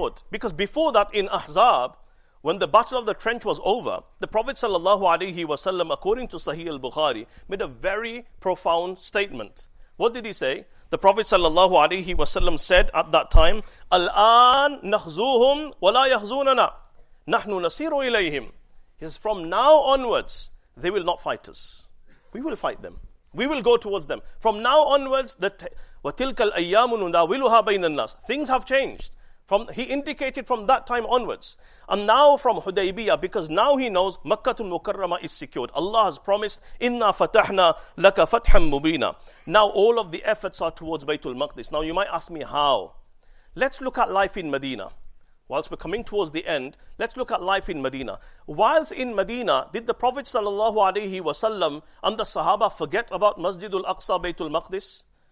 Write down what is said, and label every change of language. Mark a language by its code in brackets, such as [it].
[en] Because before that in Ahzab, when the battle of the trench was over, the Prophet sallallahu alayhi wa sallam, according to Sahih al-Bukhari, made a very profound statement. What did he say? The Prophet sallallahu alayhi wa sallam said at that time, [ar] Al-an nakhzuhum wa la yakhzunana. Nahnu nasiru ilayhim. [en] He says, from now onwards, they will not fight us. We will fight them. We will go towards them. From now onwards, [ar] وَتِلْكَ الْأَيَّامُ نُنَاوِلُهَا بَيْنَ النَّاسِ. [en] Things have changed. He indicated from that time onwards. And now from Hudaybiyah, because now he knows Makkatul Mukarrama is secured. Allah has promised, [ar] إِنَّا فَتَحْنَا لَكَ فَتْحًا مُبِينًا. [en] Now all of the efforts are towards Baytul Maqdis. Now you might ask me how. Let's look at life in Medina. Whilst we're coming towards the end, let's look at life in Medina. Whilst in Medina, did the Prophet sallallahu alayhi wa sallam and the Sahaba forget about Masjid al-Aqsa, Baytul Maqdis?